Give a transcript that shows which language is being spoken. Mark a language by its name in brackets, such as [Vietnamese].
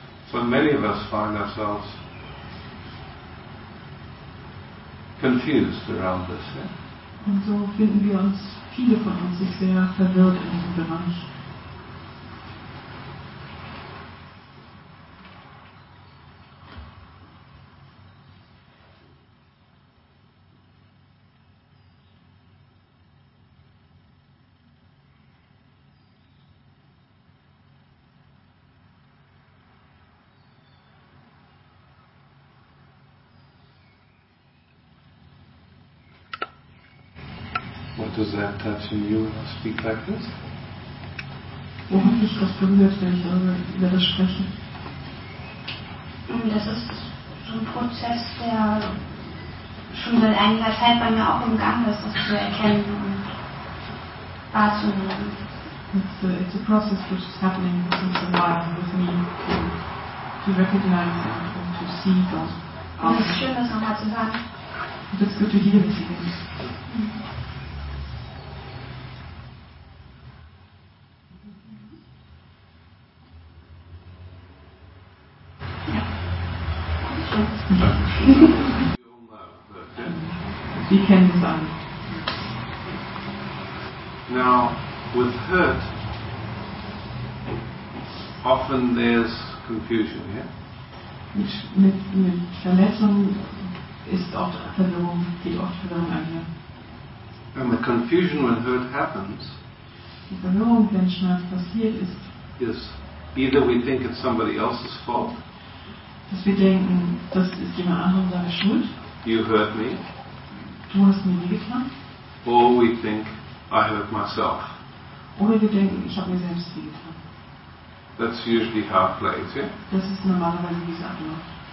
[English] So many of us find ourselves confused around this. Yeah? [German] Und so finden wir uns, viele von uns, sich sehr verwirrt in diesem Bereich. [English] Does that touch in you when I speak like this? [German] Wo hat mich das berührt, wenn ich über das spreche? Das ist so ein Prozess, der schon seit einiger Zeit bei mir auch im Gang ist, das zu erkennen und wahrzunehmen. [English] It's a process which is happening since a while with me to recognize and to see those problems. [German] Es ist schön, das nochmal zu sagen. [English] Und it's good to hear it again. Now, with hurt, often there's confusion, yeah? [German] Mit Verletzung ist oft Verwirrung, geht oft Verwirrung einher. [English] And the confusion when hurt happens, [German] die Verwirrung, wenn Schmerz passiert ist, [English] is either we think it's somebody else's fault, [German] dass wir denken, das ist jemand anderem seine Schuld, [English] you hurt me, [German] du hast mir wehgetan. [English] Or we think, I hurt myself. [German] Oder wir denken, ich habe mir selbst wehgetan. [English] That's usually how it plays, yeah? [German] Das ist normalerweise, wie es abläuft.